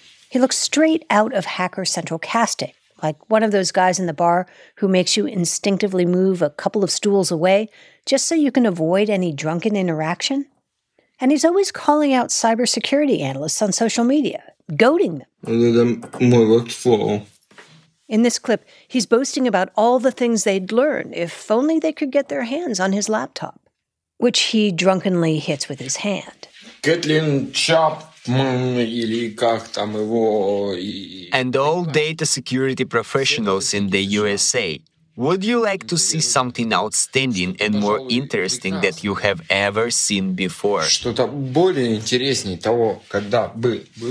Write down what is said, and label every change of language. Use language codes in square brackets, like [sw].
[en] He looks straight out of Hacker Central casting, like one of those guys in the bar who makes you instinctively move a couple of stools away just so you can avoid any drunken interaction. And he's always calling out cybersecurity analysts on social media, goading them. My workflow. In this clip, he's boasting about all the things they'd learn if only they could get their hands on his laptop. which he drunkenly hits with his hand. [ru] Кэтлин Чапман или как там его... [en] And all data security professionals in the USA, would you like to see something outstanding and more interesting that you have ever seen before? [ru] Что-то более интереснее того, когда бы...